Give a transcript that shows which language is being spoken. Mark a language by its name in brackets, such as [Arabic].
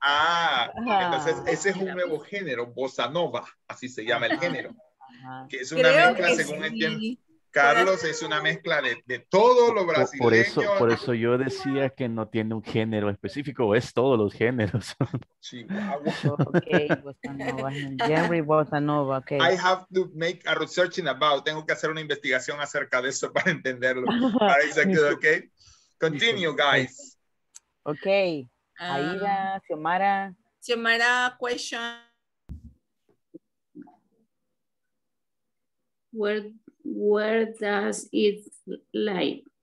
[Spanish] Ah, entonces ese es un nuevo género, bossa nova, así se llama el género. Que es una mezcla, según entiendo. Carlos, es una mezcla de todo lo brasileño. Por eso yo decía que no tiene un género específico, es todos los géneros. Chihuahua. Ok, bossa nova. Henry bossa nova, [English] ok. I have to make a researching about. [Spanish] Tengo que hacer una investigación acerca de eso para entenderlo. Ahí se quedó, ok. [English] Continue, guys. Ok. Aida, Xiomara. Xiomara, question. Where does it live?